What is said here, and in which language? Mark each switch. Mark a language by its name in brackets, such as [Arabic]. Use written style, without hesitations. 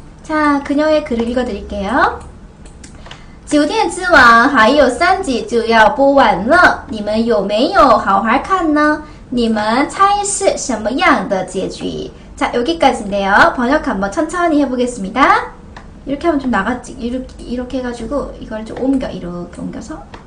[Korean] 자, 그녀의 글을 읽어드릴게요. [Chinese] 酒店之晚还有三集就要播完了，你们有没有好好看呢？你们猜是什么样的结局？ [Korean] 자, 여기까지인데요. 번역 한번 천천히 해보겠습니다. 이렇게 하면 좀 나갔지. 이렇게 해가지고 이걸 좀 옮겨, 이렇게 옮겨서.